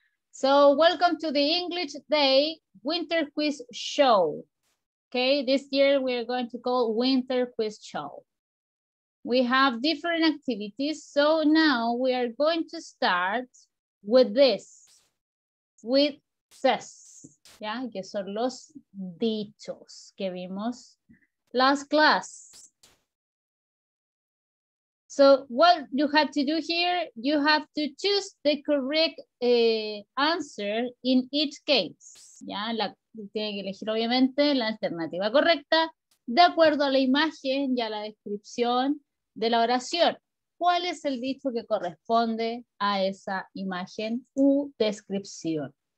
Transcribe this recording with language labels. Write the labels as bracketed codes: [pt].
[en] So welcome to the English Day Winter Quiz Show. Okay, this year we are going to call Winter Quiz Show. We have different activities. So now we are going to start with this, with CES. [es] Yeah, que son los dichos que vimos [en] last class. So what you have to do here, you have to choose the correct answer in each case. [es] Ya, la, tiene que elegir obviamente la alternativa correcta de acuerdo a la imagen y a la descripción de la oración. ¿Cuál es el dicho que corresponde a esa imagen u descripción?